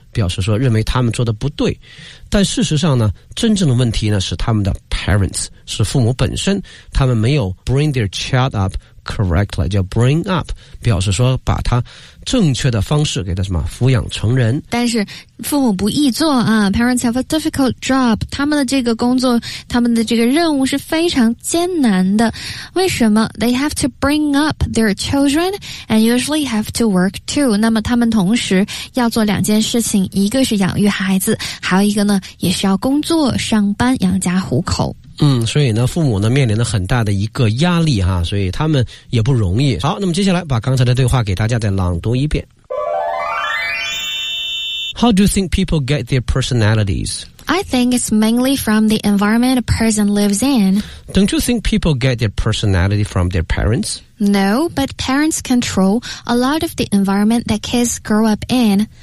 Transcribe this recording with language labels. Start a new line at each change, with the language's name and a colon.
Chinese: 表示说认为他们做的不对，但事实上呢，真正的问题呢是他们的 parents， 是父母本身，他们没有
English: bring their child up correctly，
Chinese: 叫
English: bring up，
Chinese: 表示说把他正确的方式给他什么抚养成人。但是父母不易做啊 ，
English: parents have a difficult job，
Chinese: 他们的这个工作，他们的这个任务是非常艰难的。为什么
English: ？They have to bring up their children and usually have to work too。
Chinese: 那么他们同时要做两件事情，一个是养育孩子，还有一个呢也是要工作上班养家糊口。所以呢父母呢面临了很大的一个压力哈，所以他们也不容易。好，那么接下来把刚才的对话给大家再朗读一遍。
English: How do you think people get their personalities? I think it's mainly from the environment a person lives in. Don't you think people get their personality from their parents? No, but parents control a lot of the environment that kids grow up in.